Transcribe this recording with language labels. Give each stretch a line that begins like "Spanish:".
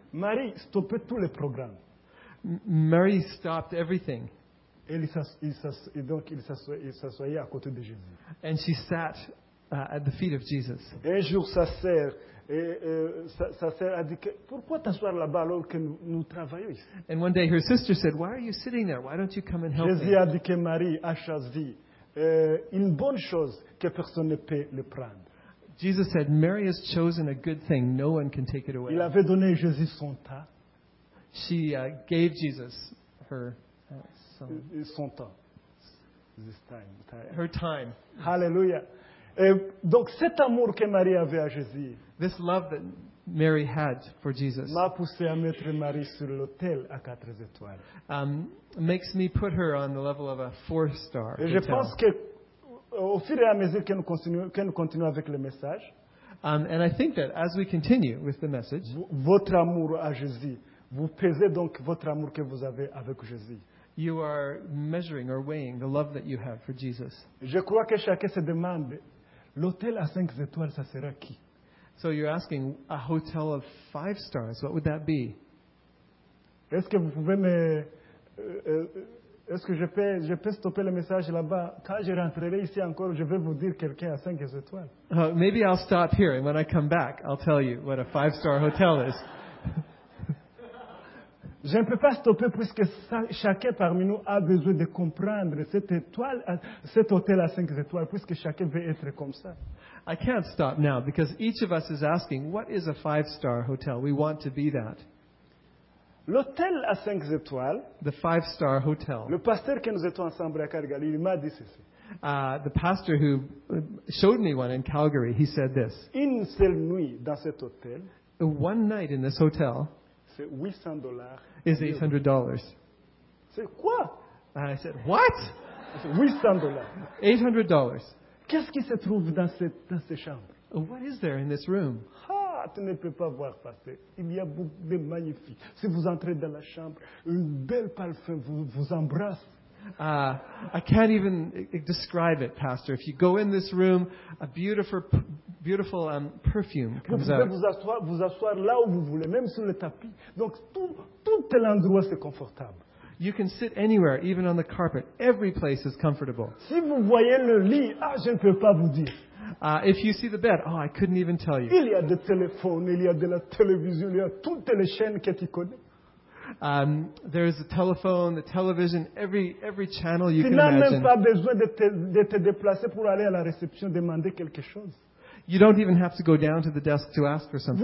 French: Marie stoppait tous les programmes.
English: Mary stopped everything.
French: Et donc il s'assoyait à côté de Jésus.
English: And she sat at the feet of Jesus.
French: Un jour, sa sœur a dit, pourquoi t'asseoir là-bas alors que nous travaillons ici?
English: And one day her sister said, why are you sitting there? Why don't you come and help
French: Jésus
English: me?
French: Jésus a dit que Marie a choisi une bonne chose que personne ne peut le prendre.
English: Jesus said, Mary has chosen a good thing. No one can take it away.
French: Il avait donné Jésus son temps.
English: She gave Jesus her
French: son temps.
English: This time. Her time. Hallelujah.
French: Donc cet amour que Marie avait à Jésus.
English: This love that Mary had for Jesus.
French: M'a poussé à mettre Marie sur l'hôtel à quatre étoiles.
English: Makes me put her on the level of a four star.
French: Et je pense que au fur et à mesure que nous continuons avec le message.
English: And I think that as we continue with the message.
French: Votre amour à Jésus. Vous pesez donc votre amour que vous avez avec Jésus.
English: You are measuring or weighing the love that you have for Jesus.
French: Je crois que chacun se demande, l'hôtel à cinq étoiles, ça sera qui?
English: So you're asking, a hotel of five stars, what would that be?
French: Est-ce que vous pouvez me... Est-ce que je peux stopper le message là-bas? Quand je rentrerai ici encore, je vais vous dire quelqu'un à cinq étoiles.
English: Maybe I'll stop here, and when I come back, I'll tell you what a five-star hotel is.
French: Je ne peux pas stopper puisque chacun parmi nous a besoin de comprendre cet hôtel à cinq étoiles puisque chacun veut être comme ça.
English: I can't stop now because each of us is asking, what is a five-star hotel? We want to be that.
French: L'hôtel à cinq étoiles.
English: The five-star hotel.
French: Le pasteur que nous étions ensemble à Calgary, il m'a dit ceci.
English: The pastor who showed me one in Calgary, he said this.
French: Une seule nuit dans cet hôtel.
English: One night in this hotel.
French: C'est $800.
English: Is $800.
French: C'est quoi?
English: And I said, what?
French: $800.
English: $800.
French: Qu'est-ce qui se trouve dans cette chambre?
English: What is there in this room?
French: Ah, tu ne peux pas voir passer. Il y a beaucoup de magnifiques. Si vous entrez dans la chambre, une belle parfum vous embrasse.
English: I can't even describe it, Pastor. If you go in this room, a beautiful perfume comes out.
French: Vous pouvez vous asseoir là où vous voulez, même sur le tapis. Donc tout l'endroit c'est confortable.
English: You can sit anywhere, even on the carpet. Every place is comfortable.
French: Si vous voyez le lit, je ne peux pas vous dire.
English: If you see the bed, I couldn't even tell you.
French: Il y a des téléphones, il y a de la télévision, il y a toutes les chaînes que tu connais.
English: There's the telephone, the television, every channel you can imagine.
French: Tu n'as même pas besoin de te déplacer pour aller à la réception demander quelque chose.
English: You don't even have to go down to the desk to ask for something.